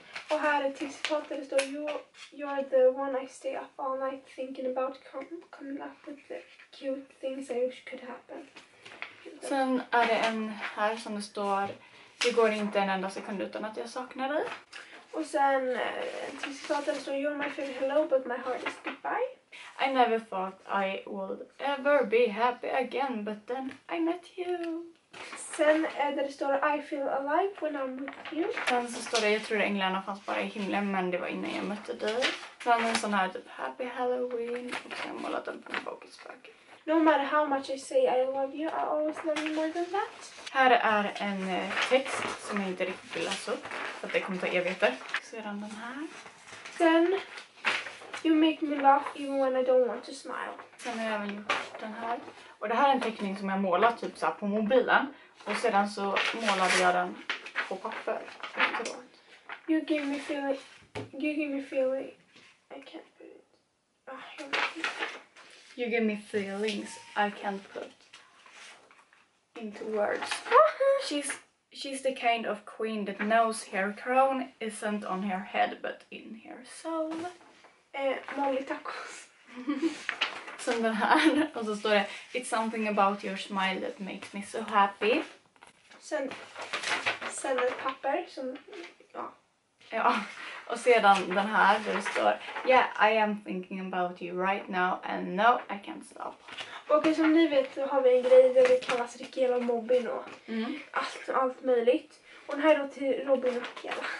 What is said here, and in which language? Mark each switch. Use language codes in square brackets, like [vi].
[sv] Och här är till citat där det står [en] you are the one I stay up all night thinking about coming up with the cute things I wish could happen. [sv] Sen är det en här som det står det går inte en enda sekund utan att jag saknar dig. Och sen till citat där det står you're my favorite hello but my heart is goodbye. [en] I never thought I would ever be happy again, but then I met you. [sv] Sen är det står [en] I feel alive when I'm with you. [sv] Sen så står det, jag tror änglarna fanns bara i himlen, men det var innan jag mötte dig. Sen en sån här typ happy Halloween, och sen målat den på en bokisböcker. [en] No matter how much I say I love you, I always love you more than that. [sv] Här är en text som jag inte riktigt vill läsa upp, så att det kommer ta evigheter. Sedan den här. Sen... [en] you make me laugh even when I don't want to smile. [sv] Sen har jag även gjort den här. Och det här är en teckning som jag målat typ så här på mobilen. Och sedan så målade jag den på papper. [en] You give me feeling. I can't put it. You give me feelings I can't put into words. She's the kind of queen that knows her crown isn't on her head but in her soul. Molly tacos. [sv] Sen den här. Och så står det, [en] it's something about your smile that makes me so happy. [sv] Sen ett papper som, ja. Ja, och sedan den här där det står, [en] yeah, I am thinking about you right now and no, I can't stop. [sv] Och som ni vet så har vi en grej där vi kallas Rickiel och Mobbin och allt möjligt. Och den här är då till Robin och Rickiel.